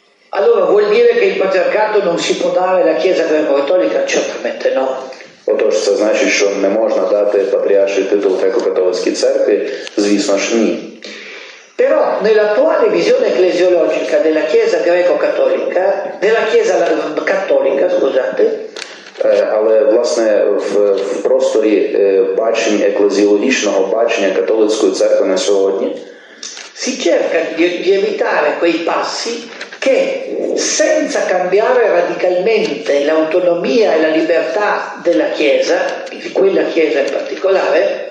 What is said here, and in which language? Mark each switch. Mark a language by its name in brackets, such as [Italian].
[Italian] Allora, vuol dire che il patriarcato non si può dare la Chiesa greco-cattolica? Certamente no. [Ukrainian] Отож, це значить, що не можна дати патріарший титул греко-католицькій церкві? Звісно ж, ні. [Italian] Però, nell'attuale visione ecclesiologica della Chiesa greco-cattolica, della Chiesa cattolica, scusate. [Ukrainian] Але, власне, в просторі бачення, еклезіологічного бачення католицької церкви на сьогодні, [Italian] si cerca di evitare quei passi che senza cambiare radicalmente l'autonomia e la libertà della Chiesa, di quella Chiesa in particolare,